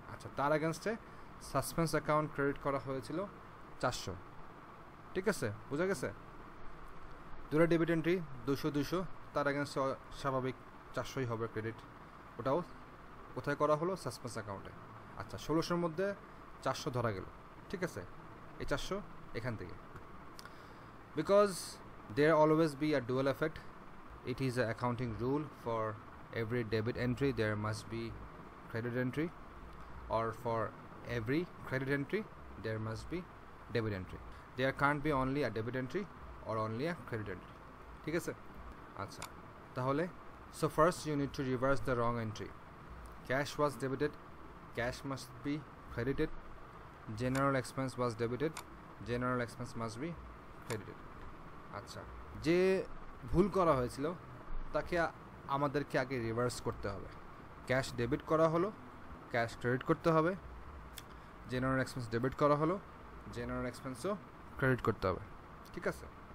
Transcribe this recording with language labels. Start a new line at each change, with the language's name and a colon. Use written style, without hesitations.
Bangla: আচ্ছা, তার অ্যাগেনস্টে suspense account credit করা হয়েছিল 400, ঠিক আছে, বোঝা গেছে। দুটো ডেবিট এন্ট্রি 200 200, তার অ্যাগেনস্টে স্বাভাবিক 400ই হবে ক্রেডিট, ওটাও কোথায় করা হলো, সাসপেন্স অ্যাকাউন্টে। আচ্ছা, 1600-র মধ্যে 400 ধরা গেল, ঠিক আছে, এই 400 এখান থেকে।
English: Because there always be a dual effect, it is a accounting rule for every debit entry there must be credit entry, or for every credit entry there must be debit entry, there can't be only a debit entry or only a credit entry, ঠিক আছে।
Bangla: আচ্ছা, তাহলে
English: so first you need to reverse the wrong entry, cash was debited, cash must be credited, general expense was debited, general expense must be credited.
Bangla: আচ্ছা, যে ভুল করা হয়েছিল তাকে আমাদেরকে আগে রিভার্স করতে হবে, ক্যাশ ডেবিট করা হলো, ক্যাশ ক্রেডিট করতে হবে, জেনারেল এক্সপেন্স ডেবিট করা হলো, জেনারেল এক্সপেন্সও ক্রেডিট করতে হবে, ঠিক আছে।